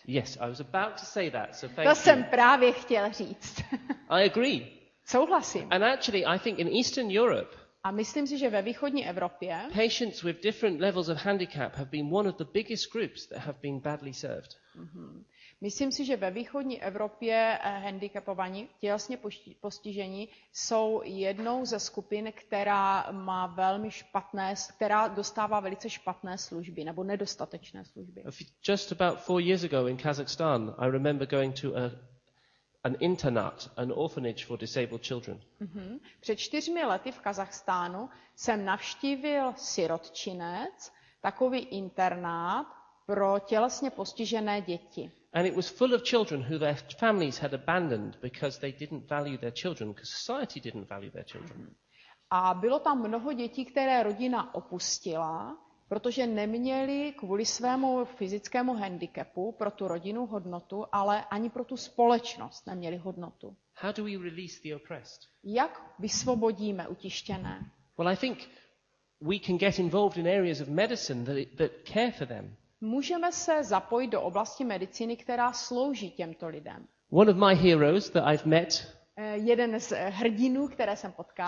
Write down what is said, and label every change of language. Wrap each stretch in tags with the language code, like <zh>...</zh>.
<en>Yes, I was about to say that. So</en> <cs>to jsem právě chtěl říct.</cs> <en>I agree.</en> <cs>Souhlasím.</cs> <en>And actually, I think in Eastern Europe.</en> <cs>A myslím si, že ve východní Evropě.</cs> <en>Patients with different levels of handicap have been one of the biggest groups that have been badly served.</en> <cs>Myslím si, že ve východní Evropě handicapovaní, tělesně postižení, jsou jednou ze skupin, která má velmi špatné, která dostává velice špatné služby nebo nedostatečné služby.</cs> <en>Just about 4 years ago in Kazakhstan, I remember going to an internat, an orphanage for disabled children.</en> <cs>Před 4 lety v Kazachstánu jsem navštívil sirotčinec, takový internát pro tělesně postižené děti.</cs> <en>And it was full of children who their families had abandoned because they didn't value their children, because society didn't value their children.</en> <cs>A bylo tam mnoho dětí, které rodina opustila, protože neměli kvůli svému fyzickému handicapu pro tu rodinu hodnotu, ale ani pro tu společnost neměli hodnotu.</cs> <en>How do we release the oppressed?</en> <cs>Jak vysvobodíme utištěné?</cs> <en>Well, I think we can get involved in areas of medicine that care for them.</en> <cs>Můžeme se zapojit do oblasti medicíny, která slouží těmto lidem.</cs> <en>One of my heroes that I've met.</en> <cs>Jeden z hrdinů, které jsem potkal.</cs>